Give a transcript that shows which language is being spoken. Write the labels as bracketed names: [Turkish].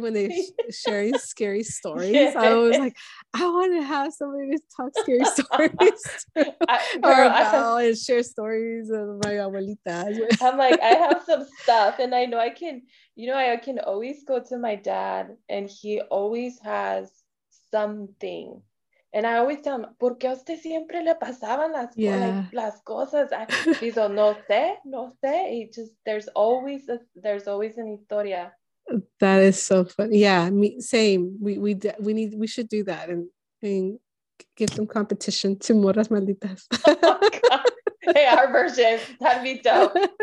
[English] When they're sharing scary stories. Yes. I was like, I want to have somebody to talk scary stories to, and share stories of my abuelita. I'm like, I have some stuff, and I know I can, you know, I can always go to my dad, and he always has something. [Spanish] And I always tell him, ¿por qué a usted siempre le pasaban las, yeah, las cosas? [English] He's like, no sé. It just, there's always an historia. That is so funny. Yeah, same. We should do that and give some competition to Morras Malditas. Oh, hey, our version. That'd be dope.